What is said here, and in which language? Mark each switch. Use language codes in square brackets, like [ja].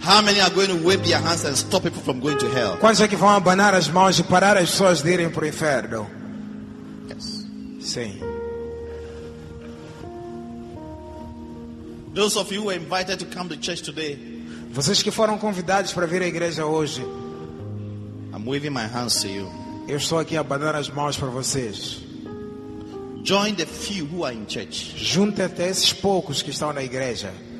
[en] How many are going to wave their hands and stop people from going to hell? [pt] Quantos é que vão abanar as mãos e parar as pessoas de irem para o inferno? [en] Yes. [pt] Sim. [en] Those of you who were invited to come to church today. [pt] Vocês que foram convidados para vir à igreja hoje. [en] I'm waving my hands to you. [pt] Eu estou aqui a abanar as mãos para vocês. [en] Join the few who are in church. [pt] Junte-te a esses poucos que estão na igreja.